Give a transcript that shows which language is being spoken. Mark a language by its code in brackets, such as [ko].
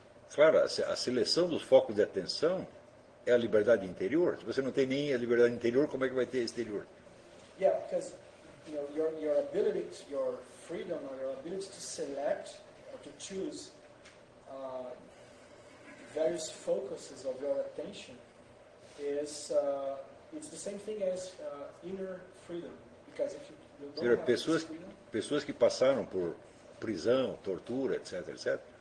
[pt] claro, a seleção dos focos de atenção é a liberdade interior. Se você não tem nem a liberdade interior, como é que vai ter a exterior? [en] Yeah, because you know, your ability, your freedom, or your ability to select or to choose various focuses of your attention is it's the same thing as inner freedom. Because if you don't have [pt] pessoas, [en] freedom, [pt] pessoas que passaram por prisão, tortura, etc, etc.